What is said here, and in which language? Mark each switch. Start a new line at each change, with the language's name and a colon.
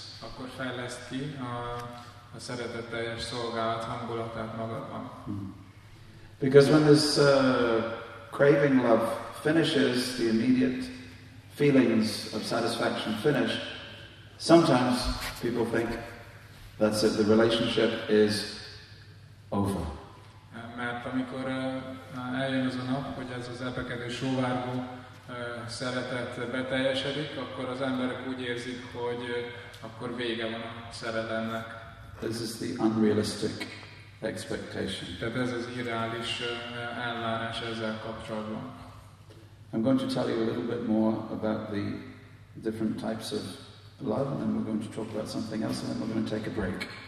Hungarian: Akkor fejleszd ki a szeretetteljes szolgálat hangulatát magadban.
English: Because when this craving love finishes, the immediate feelings of satisfaction finish, sometimes people think that's it, the relationship is over.
Hungarian: Mert amikor eljön az a nap, hogy ez az epekedő sóvárgó szeretet beteljesedik, akkor az emberek úgy érzik, hogy akkor vége van a szerelemnek.
English: This is the unrealistic expectation.
Hungarian: Tehát ez az irreális elvárás ezzel kapcsolatban.
English: I'm going to tell you a little bit more about the different types of love, and then we're going to talk about something else, and then we're going to take a break.